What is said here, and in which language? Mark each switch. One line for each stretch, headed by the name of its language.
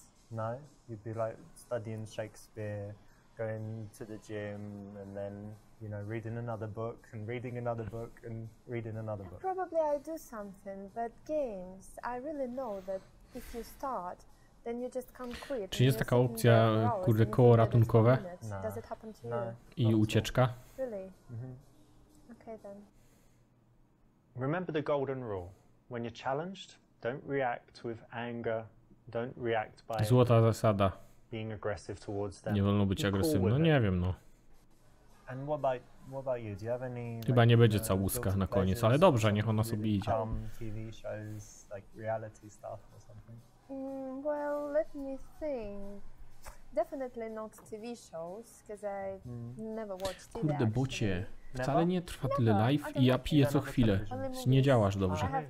English: No, you'd be like studying Shakespeare, going to the gym, and then, you know, reading another book, and reading another book, and reading another book. Probably I do something, but games, I really know that if you start, then you just can't quit.
Polish: Czy jest taka opcja, kurde, koło ratunkowe?
English: No.
Polish: I ucieczka?
English: Really? Mm-hmm. Okay then. Remember the golden rule. When you're challenged, don't react with anger. Don't react by
Polish: złota zasada.
English: Being aggressive towards them.
Polish: Nie wolno być agresywnym. No nie wiem, no.
English: And what about you? Do you have any,
Polish: chyba like, nie będzie całuska na koniec, ale dobrze, niech ona sobie idzie.
English: TV shows, like reality stuff or something. Well, let me think. Definitely not TV shows, because I never watched TV.
Polish: Kurde, bucie. Wcale nie trwa tyle live i ja piję co chwilę. Nie działasz dobrze.